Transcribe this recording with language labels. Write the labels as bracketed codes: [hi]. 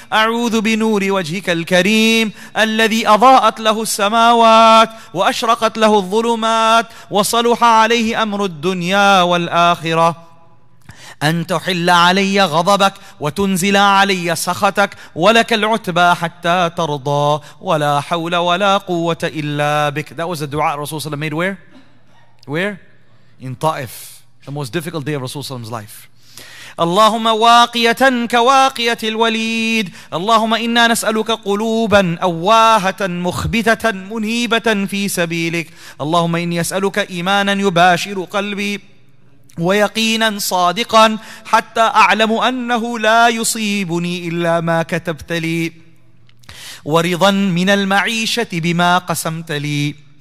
[ar] أعوذ بنور وجهك الكريم الذي أضاءت له السماوات وأشرقت له الظلمات وصلح عليه أمر الدنيا والآخرة، أن تحل علي غضبك وتنزل علي سخطك، ولك العتبى حتى ترضى، ولا حول ولا قوة إلا بك. [en] That was a dua Rasulullah SAW made where? Where? In Ta'if, the most difficult day of Rasulullah SAW's life. [ar] اللهم واقية كواقية الوليد، اللهم إنا نسألك قلوبا أواهة مخبتة منيبة في سبيلك، اللهم إني أسألك إيمانا يباشر قلبي ويقينا صادقا حتى أعلم أنه لا يصيبني إلا ما كتبت لي، ورضا من المعيشة بما قسمت لي.